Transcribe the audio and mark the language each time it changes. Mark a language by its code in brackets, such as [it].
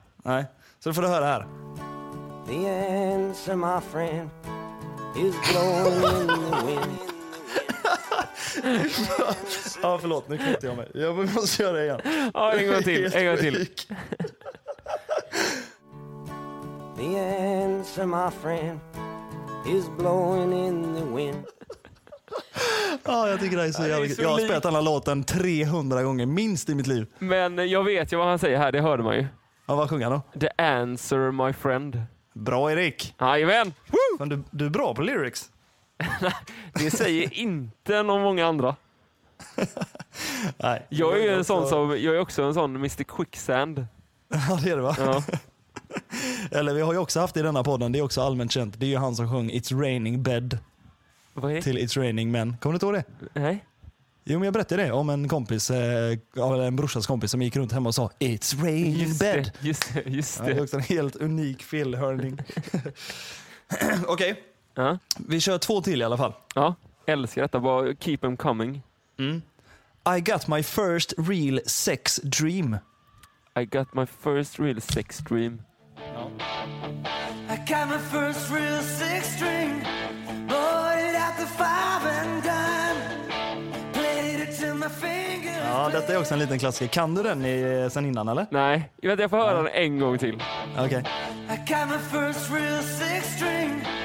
[sv] Nej. Så då får du höra här. [en] The ants are my friend. It's blowing in the wind. [sv] Ja, förlåt, nu kvittar jag mig. Jag måste göra det igen. Ja, en gång till, en gång till. [en] The answer, my friend, is blowing in the wind. [sv] Ja, jag tycker det är så jävligt. Jag har spelat den här låten 300 gånger minst i mitt liv. Men jag vet ju vad han säger här, det hörde man ju. Ja, vad sjunger han då? [en] The answer, my friend. [sv] Bra, Erik. Jajamän. Men du är bra på lyrics. Det säger inte någon många andra. Nej, jag är ju en sån som, jag är också en sån Mr. Quicksand. Ja, det är det, va? Ja. Eller vi har ju också haft i denna podden, det är också allmänt känt. Det är ju han som sjöng It's Raining Bed. Vad är det? Till It's Raining Men. Kommer du inte ihåg det? Nej. Jo, men jag berättade det om en kompis, en brorsas kompis som gick runt hemma och sa It's Raining just [en] Bed. [sv] Det, just det, just det. Ja, det är också en helt unik felhörning. Okej. Okay. Ja. Vi kör två till i alla fall. Ja, älskar detta. Bara [en] keep them coming. [sv] Mm. [en] I got my first real sex dream. I got my first real sex dream. I got my first real sex dream. Boiled out the five and done. Played it till my fingers. [sv] Ja, detta är också en liten klassiker. Kan du den sen innan, eller? Nej, jag får höra den en gång till. Okej. [en] Okay. I got my first real sex dream.